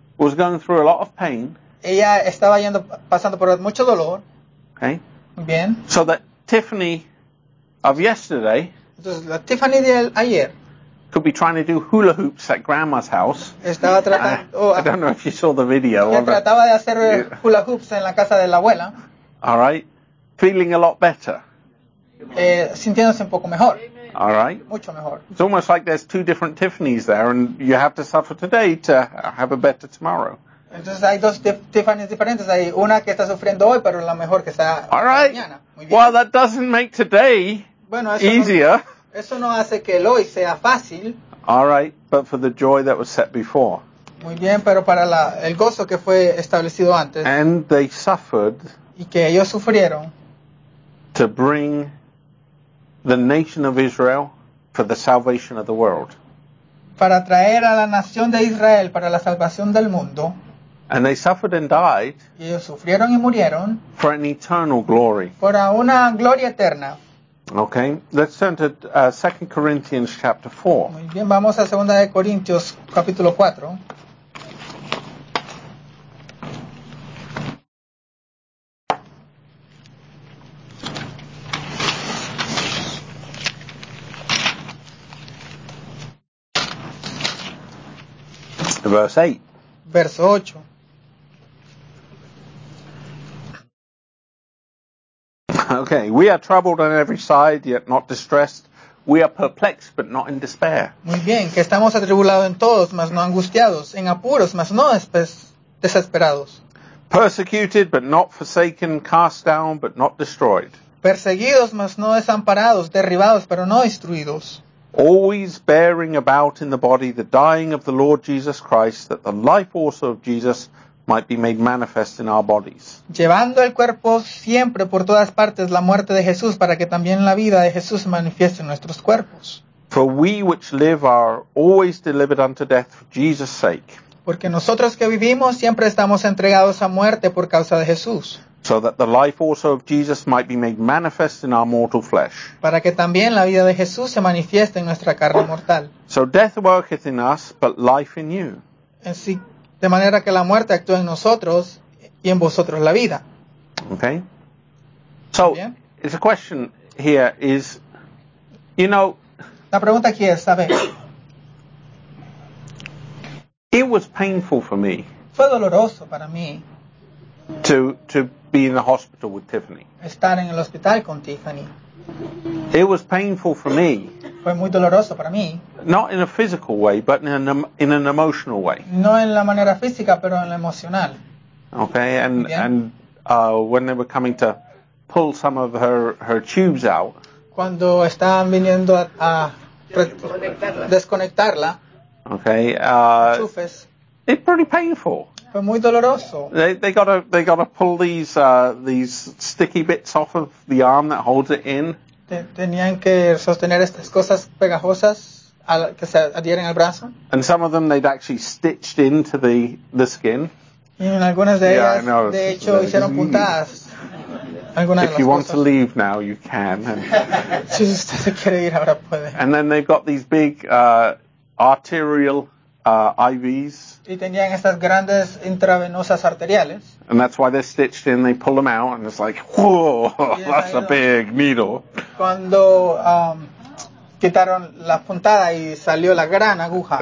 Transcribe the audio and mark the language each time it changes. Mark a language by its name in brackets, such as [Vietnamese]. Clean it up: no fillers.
[English] was going through a lot of pain. [Spanish] Ella estaba pasando por mucho dolor. [English] Okay. [Spanish] Bien. [English] So that Tiffany of yesterday [Spanish] Entonces, la Tiffany de ayer [English] could be trying to do hula hoops at grandma's house. [Spanish] Estaba tratando, [English] I don't know if you saw the video. [Spanish] Trataba de hacer hula hoops en la casa de la abuela. [English] All right. Feeling a lot better. [Spanish] Sintiéndose un poco mejor. [English] All right. [Spanish] Mucho mejor. [English] It's almost like there's two different Tiffanys there, and you have to suffer today to have a better tomorrow. [Spanish] Entonces hay dos Tiffanys diferentes. Hay una que está sufriendo hoy, pero la mejor que está mañana. [English] All right. Well, that doesn't make today [Spanish] bueno, [English] easier. [Spanish] Eso no hace que el hoy sea fácil. [English] All right, but for the joy that was set before. [Spanish] Muy bien, pero para la, el gozo que fue establecido antes. [English] And they suffered. [Spanish] Y que ellos sufrieron. [English] To bring the nation of Israel for the salvation of the world. [Spanish] Para traer a la nación de Israel para la salvación del mundo. [English] And they suffered and died. [Spanish] Y ellos sufrieron y murieron. [English] For an eternal glory. [Spanish] Por una gloria eterna. [English] Okay, let's turn to 2 Corinthians chapter 4. [Spanish] Muy bien, vamos a 2 de Corintios capítulo 4. [English] Verse 8. [Spanish] Verso 8. [English] Okay, we are troubled on every side, yet not distressed. We are perplexed, but not in despair. [Spanish] Muy bien, que estamos atribulados en todos, mas no angustiados, en apuros, mas no desesperados. [English] Persecuted, but not forsaken, cast down, but not destroyed. [Spanish] Perseguidos, mas no desamparados, derribados, pero no destruidos. [English] Always bearing about in the body the dying of the Lord Jesus Christ, that the life also of Jesus might be made manifest in our bodies. [Spanish] Llevando el cuerpo siempre por todas partes la muerte de Jesús para que también la vida de Jesús se manifieste en nuestros cuerpos. [English] For we which live are always delivered unto death for Jesus' sake. [Spanish] Porque nosotros que vivimos siempre estamos entregados a muerte por causa de Jesús. [English] So that the life also of Jesus might be made manifest in our mortal flesh. [Spanish] Para que también la vida de Jesús se manifieste en nuestra carne mortal. [English] So death worketh in us, but life in you. [Spanish] Así, de manera que la muerte actúa en nosotros y en vosotros la vida. [English] Okay. So, it's a question here is, you know, [Spanish] la pregunta aquí es, ¿sabe? [English] It was painful for me. [Spanish] Fue doloroso para mí. [English] To be in the hospital with Tiffany. [Spanish] Estar en el hospital con Tiffany. [English] It was painful for me. [Spanish] Fue muy doloroso para mí. [English] Not in a physical way, but in an emotional way. [Spanish] No en la manera física, pero en la emocional. [English] Okay, and when they were coming to pull some of her tubes out. [Spanish] Cuando estaban viniendo a desconectarla. [English] Okay. [Spanish] Enchufes. [English] It's pretty painful. [Spanish] Fue muy doloroso. [English] They got to pull these sticky bits off of the arm that holds it in. [Spanish] Tenían que sostener estas cosas pegajosas que se adhieren al brazo. [English] And some of them they'd actually stitched into the skin. [Spanish] Y en algunas de ellas, de hecho, hicieron puntadas. [English] If you want to leave now, you can. [Spanish] Si usted se quiere ir ahora, puede. [English] And then they've got these big arterial IVs. [Spanish] Y tenían estas grandes intravenosas arteriales. [English] And that's why they're stitched in, they pull them out, and it's like, whoa, that's a big needle. [Spanish] Cuando quitaron la puntada y salió la gran aguja.